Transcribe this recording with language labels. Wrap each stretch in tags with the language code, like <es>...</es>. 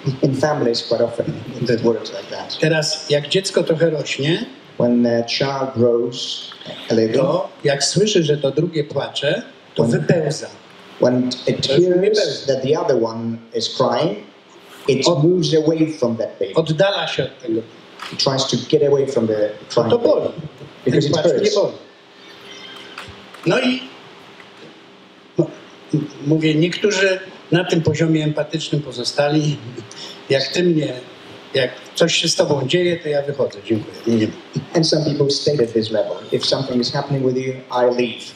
<en>In families, quite often, it works like that.</en> <pl>Teraz, jak dziecko trochę rośnie,</pl> <en>when the child grows a little,</en> <pl>to jak słyszy, że to drugie płacze, to wypełza.</pl> <en>When it hears that the other one is crying, it moves away from that baby.</en> <pl>Oddala się od tego.</pl> <en>It tries to get away from the crying.</en> <pl>To boli.</pl> <en>Because it hurts.</en> <pl>Nie boli. No i mówię, niektórzy na tym poziomie empatycznym pozostali. Jak ty mnie, jak coś się z tobą dzieje, to ja wychodzę. Dziękuję.</pl> <en>And some people stayed at this level. If something is happening with you, I leave.</en>